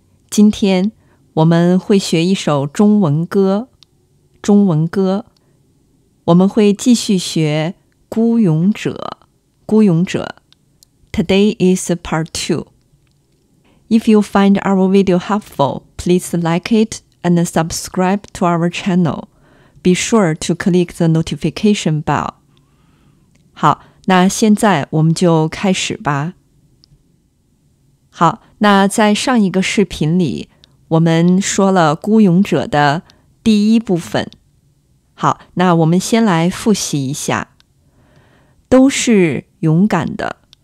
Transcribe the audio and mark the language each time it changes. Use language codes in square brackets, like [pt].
[zh] 今天我们会学一首中文歌，中文歌。我们会继续学孤勇者，孤勇者。 [en] Today is part two. If you find our video helpful, please like it and subscribe to our channel. Be sure to click the notification bell. [zh] 好，那现在我们就开始吧。好，那在上一个视频里，我们说了孤勇者的第一部分。好，那我们先来复习一下。都是勇敢的。